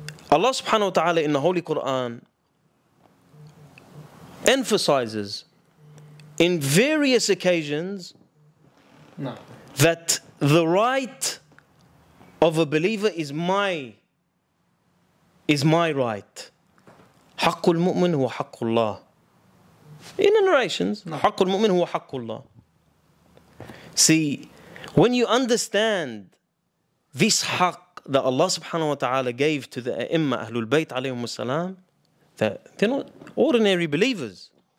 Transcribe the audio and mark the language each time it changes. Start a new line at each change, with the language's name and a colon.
English: Allah subhanahu wa ta'ala in the Holy Quran emphasizes in various occasions that the right of a believer is my right.
Arabic: حَقُّ الْمُؤْمِنْ هُوَ حَقُّ اللَّهِ.
English: In the narrations,
Arabic: حَقُّ الْمُؤْمِنْ هُوَ حَقُّ اللَّهِ.
English: See, when you understand this haqq that Allah subhanahu wa ta'ala gave to the a'imma Ahlul Bayt alayhim salam, that they're not ordinary believers.